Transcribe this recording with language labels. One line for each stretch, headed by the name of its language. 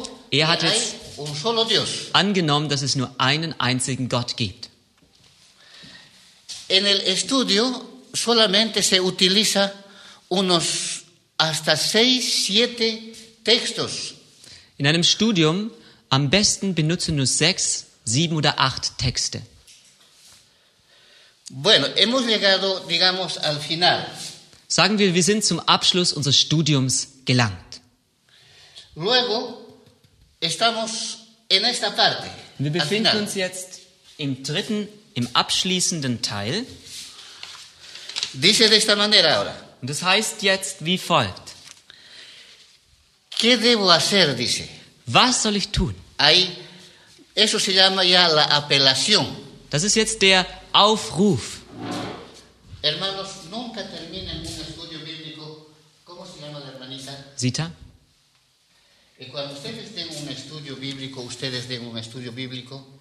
German: Er hat jetzt angenommen, dass es nur einen einzigen Gott gibt.
Spanish: En el estudio solamente se utiliza unos hasta 6-7 textos.
German: In einem Studium am besten benutzen nur 6, 7 oder 8 Texte.
Spanish: Bueno, hemos llegado, digamos, al final.
German: Sagen wir, wir sind zum Abschluss unseres Studiums gelangt.
Spanish: Luego, estamos en esta parte,
German: wir befinden uns jetzt im dritten, im abschließenden Teil.
Spanish: Dice de esta manera ahora.
German: Und das heißt jetzt wie folgt.
Spanish: ¿Qué debo hacer, dice?
German: Was soll ich tun?
Spanish: Ahí, eso se llama ya la apelación.
German: Das ist jetzt der Aufruf.
Spanish: Hermanos, nunca termina en un estudio bíblico. ¿Cómo se llama la hermanita? Zita. Y cuando ustedes den un estudio bíblico, ustedes den un estudio bíblico.